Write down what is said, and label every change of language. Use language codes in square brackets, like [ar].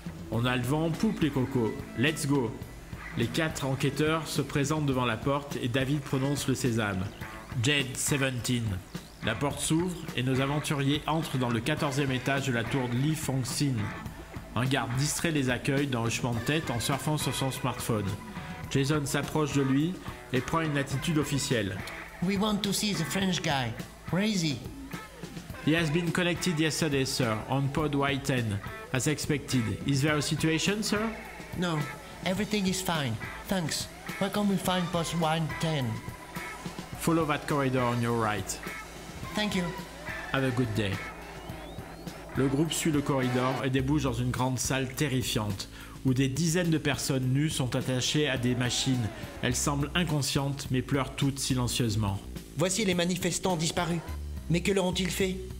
[fr] On a le vent en poupe les cocos, [en] let's go! [fr] Les quatre enquêteurs se présentent devant la porte et David prononce le sésame. Jade 17. La porte s'ouvre et nos aventuriers entrent dans le 14e étage de la tour de Lifongxin. Un garde distrait les accueille d'un hochement de tête en surfant sur son smartphone. Jason s'approche de lui et prend une attitude officielle. [en] We want to see the French guy. Where is he? He has been connected yesterday, sir, on pod Y10, as expected. Is there a situation, sir? No, everything is fine. Thanks. Where can we find pod Y10? Follow that corridor on your right. Thank you. Have a good day. [fr] Le groupe suit le corridor et débouche dans une grande salle terrifiante, où des dizaines de personnes nues sont attachées à des machines. Elles semblent inconscientes, mais pleurent toutes silencieusement. Voici les manifestants disparus. Mais que leur ont-ils fait?